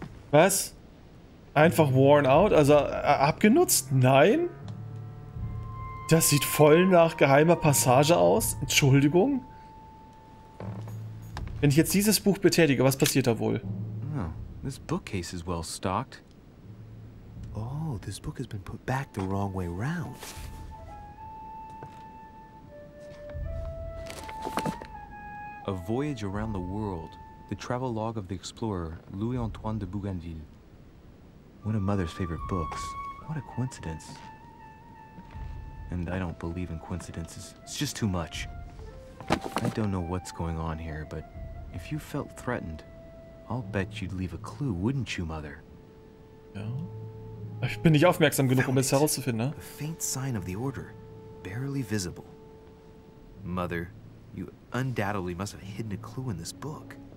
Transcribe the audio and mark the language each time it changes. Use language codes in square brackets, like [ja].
[de] Was? Einfach [en] worn out? [de] Also abgenutzt? Nein? Das sieht voll nach geheimer Passage aus. Entschuldigung. Wenn ich jetzt dieses Buch betätige, was passiert da wohl? [en] Oh, this bookcase is well stocked. Oh, this book has been put back the wrong way round. A voyage around the world, the travel log of the explorer Louis Antoine de Bougainville. One of mother's favorite books. What a coincidence. And I don't believe in coincidences. It's just too much. I don't know what's going on here, but if you felt threatened, I'll bet you'd leave a clue, wouldn't you, mother? [de] Ja. Ich bin nicht aufmerksam genug, um es herauszufinden, ne? [en] A faint sign of the order, barely visible. Mother, you undoubtedly must have hidden a clue in this book.